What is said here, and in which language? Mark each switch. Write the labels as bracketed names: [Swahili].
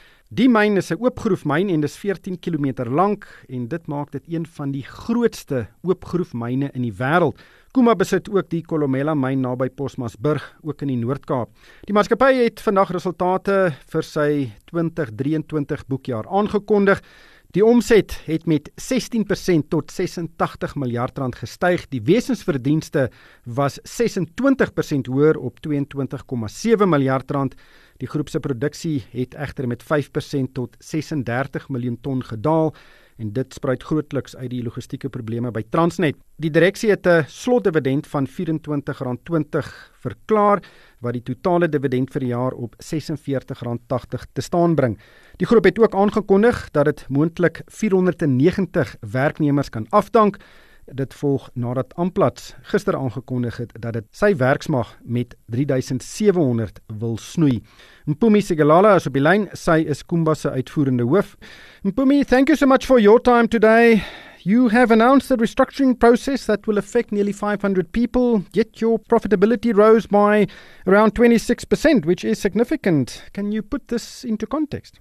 [Afrikaans] Die myn is 'n oopgroefmyn en dis 14 km lank en dit maak dit een van die grootste oopgroefmyne in die wêreld. Kumba besit ook die Kolomela-myn naby Posmasburg, ook in die Noord-Kaap. Die maatskappy het vandag resultate vir sy 2023 boekjaar aangekondig. Die omset het met 16% tot 86 miljard rand gestyg. Die wesensverdienste was 26% hoër op 22,7 miljard rand. Die groep se produksie het egter met 5% tot 36 miljoen ton gedaal en dit spruit grootliks uit die logistieke probleme by Transnet. Die direksie het 'n slotdividend van R24,20 verklaar wat die totale dividend vir die jaar op R46,80 te staan bring. Die groep het ook aangekondig dat dit moontlik 490 werknemers kan afdank. Dit volg nadat Amplats gister aangekondig het dat dit sy werksmag met 3700 wil snoei. Mpumi Sigalala is op die lyn, sy is Kumba se uitvoerende hoof. [English] Mpumi, thank you so much for your time today. You have announced a restructuring process that will affect nearly 500 people, yet your profitability rose by around 26%, which is significant. Can you put this into context?